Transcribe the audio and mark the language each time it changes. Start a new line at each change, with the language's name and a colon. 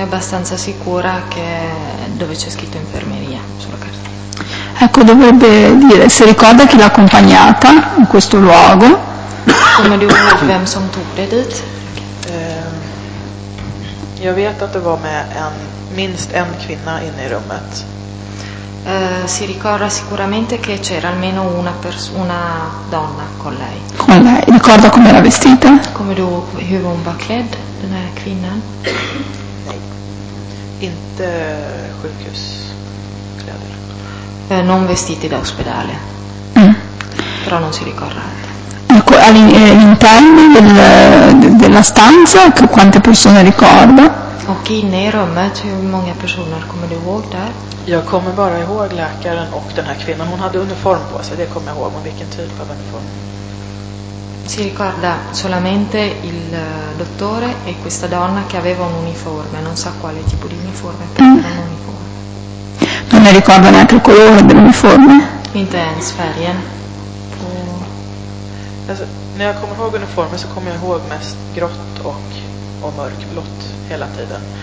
Italian: È abbastanza sicura che dove c'è scritto infermeria sulla carta. Ecco, dovrebbe dire, se ricorda chi l'ha accompagnata in questo luogo.
Swedish: Kommer du ihåg vem som tog det dit? Jag vet att det var med en, minst en kvinna inne i rummet.
Italian: Si ricorda sicuramente che c'era almeno una persona, donna con lei. Con lei, ricorda come era vestita?
Swedish: Come du, hur hon var klädd, den här kvinnan? Nej, inte sjukhuskläder.
Italian: Non vestiti da ospedale. Però non si ricorda. All'interno della stanza quante persone ricorda?
Swedish: Och inne i rummet, hur många personer kommer du ihåg där? Jag kommer bara ihåg läkaren och den här kvinnan. Hon hade uniform på sig, det kommer jag ihåg. Men vilken typ av uniform?
Italian: Si ricorda solamente il dottore e questa donna che aveva un uniforme. Non sa quale tipo di uniforme, però era un uniforme. Non ne ricorda neanche il colore dell'uniforme?
Swedish: Inte ens färgen. Alltså, när jag kommer ihåg uniformen så kommer jag ihåg mest grått och mörkblått hela tiden.